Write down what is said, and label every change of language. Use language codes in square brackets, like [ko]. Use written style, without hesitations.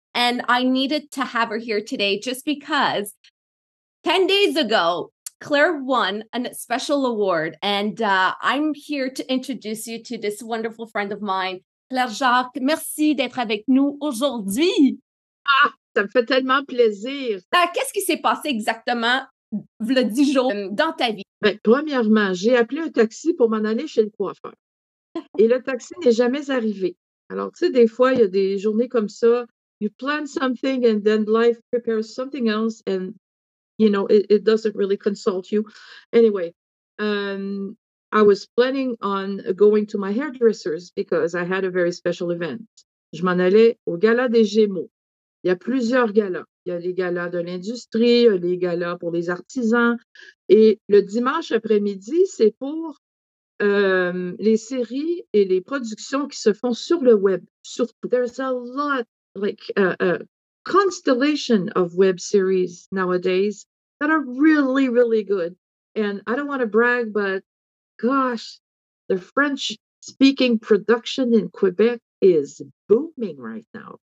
[en] And I needed to have her here today just because 10 days ago, Claire won a special award, and I'm here to introduce you to this wonderful friend of mine, Claire Jacques. [fr] Merci d'être avec nous aujourd'hui. Ah, ça me fait tellement plaisir. Qu'est-ce qui s'est passé exactement, le 10 jours, dans ta vie? Ben, premièrement, j'ai appelé un taxi pour m'en aller chez le coiffeur. Et le taxi n'est jamais arrivé. Alors, tu sais, des fois, il y a des journées comme ça. [en] You plan something, and then life prepares something else, and you know, it doesn't really consult you. Anyway, I was planning on going to my hairdressers because I had a very special event. [fr] Je m'en allais au gala des Gémeaux. Il y a plusieurs galas. Il y a les galas de l'industrie, il y a les galas pour les artisans. Et le dimanche après-midi, c'est pour les séries et les productions qui se font sur le web. Surtout, [en] there's a lot like constellation of web series nowadays that are really, really good. And I don't want to brag, but gosh, the French-speaking production in Quebec is booming right now.